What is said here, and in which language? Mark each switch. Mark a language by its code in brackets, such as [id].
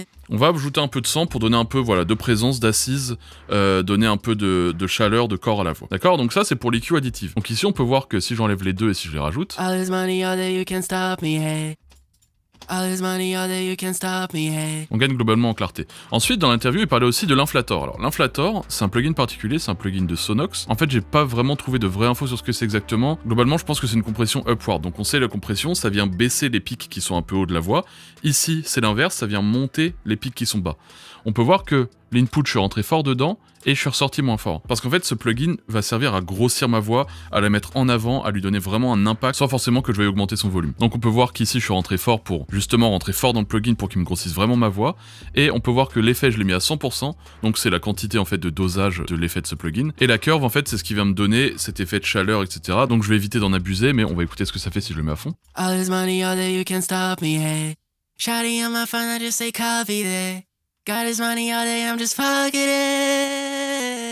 [fr] On va ajouter un peu de sang pour donner un peu voilà, de présence, d'assise, donner un peu de chaleur, de corps à la voix. D'accord ? Donc ça, c'est pour l'EQ additive. Donc ici, on peut voir que si j'enlève les deux et si je les rajoute... [en] All this money, all day, you can't stop me, hey. All this money, all day, you can't stop me, hey. [fr] On gagne globalement en clarté. Ensuite, dans l'interview, il parlait aussi de l'inflator. Alors, l'inflator, c'est un plugin particulier, c'est un plugin de Sonox. En fait, j'ai pas vraiment trouvé de vraies infos sur ce que c'est exactement. Globalement, je pense que c'est une compression upward. Donc, on sait la compression, ça vient baisser les pics qui sont un peu haut de la voix. Ici, c'est l'inverse, ça vient monter les pics qui sont bas. On peut voir que l'input, je suis rentré fort dedans et je suis ressorti moins fort. Parce qu'en fait, ce plugin va servir à grossir ma voix, à la mettre en avant, à lui donner vraiment un impact, sans forcément que je veuille augmenter son volume. Donc on peut voir qu'ici, je suis rentré fort pour justement rentrer fort dans le plugin pour qu'il me grossisse vraiment ma voix. Et on peut voir que l'effet, je l'ai mis à 100%, donc c'est la quantité en fait de dosage de l'effet de ce plugin. Et la curve, en fait, c'est ce qui vient me donner cet effet de chaleur, etc. Donc je vais éviter d'en abuser, mais on va écouter ce que ça fait si je le mets à fond. [en] All this money, all day, you can't stop me, hey. Shouting on my phone, I just say coffee, hey. God is money all day, I'm just fucking it.